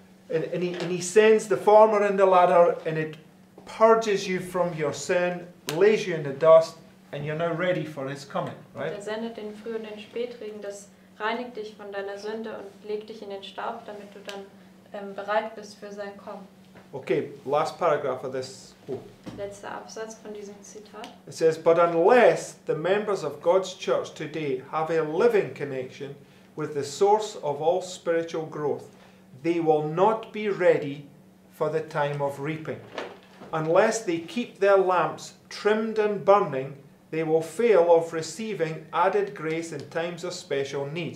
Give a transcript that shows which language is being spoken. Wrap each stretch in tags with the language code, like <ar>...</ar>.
<en>And he sends the former and the latter, and it purges you from your sin, lays you in the dust, and you're now ready for his coming, right?</en> <de>Und er sendet den frühen und den Spätregen, das reinigt dich von deiner Sünde und legt dich in den Staub, damit du dann bereit bist für sein Kommen.</de> <en>Okay, last paragraph of this quote.</en> <de>Letzter Absatz von diesem Zitat.</de> <en>It says, but unless the members of God's church today have a living connection with the source of all spiritual growth, they will not be ready for the time of reaping. Unless they keep their lamps trimmed and burning, they will fail of receiving added grace in times of special need.</en>